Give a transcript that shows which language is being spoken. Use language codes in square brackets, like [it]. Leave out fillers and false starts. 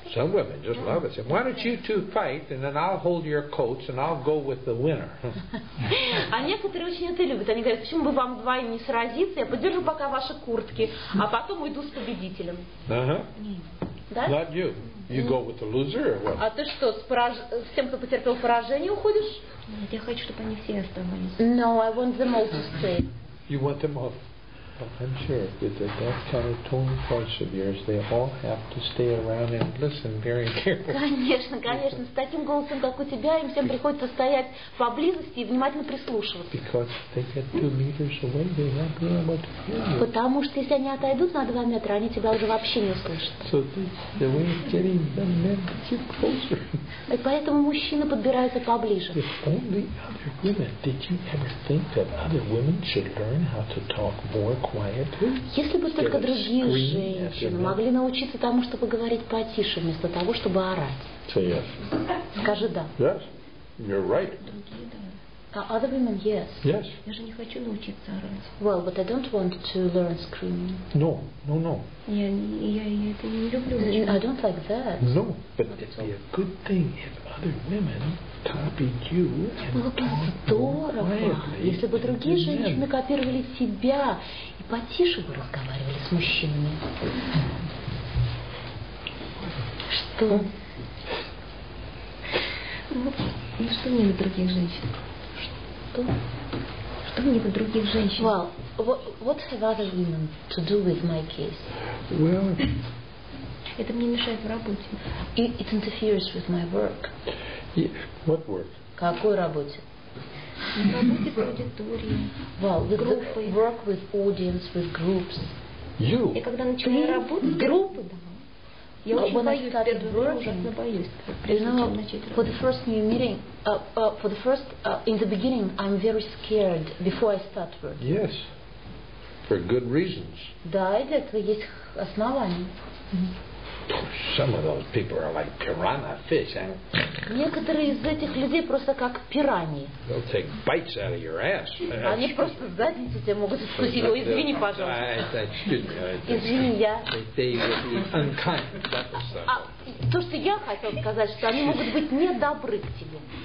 [en] Some women just love it. Say, why don't you two fight, and then I'll hold your coats, and I'll go with the winner. [ru] А некоторые очень это любят. Они говорят, почему бы вам двое не сразиться? Я подержу пока ваши куртки, а потом уйду с победителем. [en] Not you. You go with the loser or what? [ru] А ты что, с тем, кто потерпел поражение, уходишь? Нет, я хочу, чтобы они все оставались. [en] No, I want them all to stay. You want them all. I'm sure with that kind of tone of voice of yours, they all have to stay around and listen very carefully. [ru] Конечно, конечно, с таким голосом, как у тебя, им всем приходится стоять поблизости и внимательно прислушиваться. [en] Because they get 2 meters away, they won't be able to hear you. [ru] Потому что если они отойдут на 2 метра, они тебя уже вообще не услышат. [en] So the way of getting them men to keep closer. [ru] И поэтому мужчины подбираются поближе. [en] If only other women, did you ever think that other women should learn how to talk more? [ru] Если бы только другие женщины могли научиться тому, чтобы говорить потише, вместо того, чтобы орать. [en] So yes. [ru] Скажи да. [en] Yes, you're right. Other women, yes. Yes. [ru] Я же не хочу научиться орать. [en] Well, but I don't want to learn screaming. No, no, no. [ru] Я это не люблю. [en] I don't like that. No, but it'd be a good thing if other women copied you. [ru] Было бы здорово, если бы другие женщины копировали себя и потише бы разговаривали с мужчинами. Что? Ну, и что мне на других женщин? Что мне до других женщин? [en] Well, what have other women to do with my case? Well, [ru] это мне мешает в работе. [en] It interferes with my work. Yeah. What work? [ru] Какой работе? На работе с аудиторией. [en] Well, with [ru] группы. [en] The work with audience, with groups. You? [ru] Я когда начинаю работать с группой, да. [en] For the first new meeting, for the first in the beginning, I'm very scared before I start work. Yes, for good reasons. [ru] Да, для этого есть основания. [en] Some of those people are like piranha fish. [ru] Некоторые из этих людей просто как пираньи. [en] They'll take bites out of your ass. [ru] Они просто задницу тебе могут откусить. Извини, пожалуйста. Извини, я. [en] They would be unkind. That was the. [ru] То, что я хотел сказать, что они могут быть недобры к тебе.